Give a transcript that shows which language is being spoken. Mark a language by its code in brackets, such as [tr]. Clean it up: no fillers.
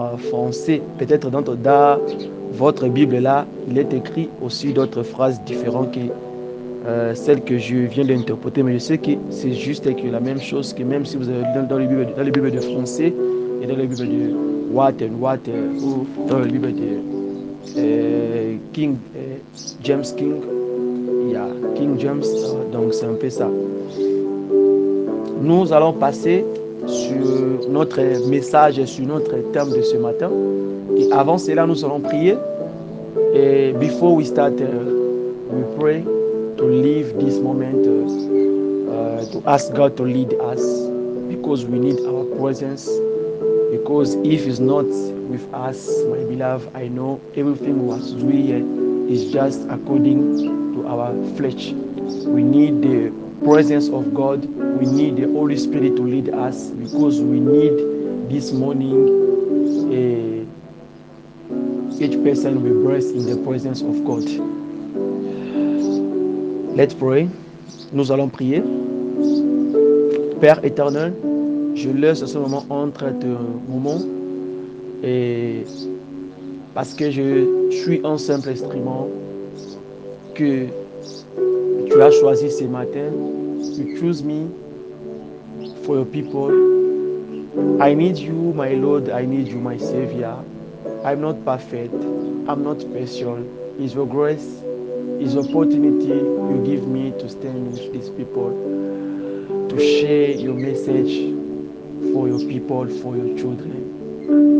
[fr] Français, peut-être dans votre Bible là, il est écrit aussi d'autres phrases différentes que celles que je viens d'interpréter, mais je sais que c'est juste que la même chose que même si vous avez dans les Bibles de français et dans les Bibles de Watt, ou dans les Bibles de King James, donc c'est un peu ça. Nous allons passer sur notre message et sur notre thème de ce matin. Et avant cela, nous allons prier. Et [en] before we start, we pray to leave this moment to ask God to lead us because we need our presence. Because if He's not with us, my beloved, I know everything we are doing here is just according to our flesh. We need the presence of God. We need the Holy Spirit to lead us because we need this morning each person we breathe in the presence of God. Let's pray. [fr] Nous allons prier. Père éternel, je laisse ce moment entre ton moment et parce que je suis un simple instrument que tu as choisi ce matin. [en] You choose me. For your people, I need you, my Lord. I need you, my Savior. I'm not perfect. I'm not special. It's your grace, it's opportunity you give me to stand with these people, to share your message for your people, for your children.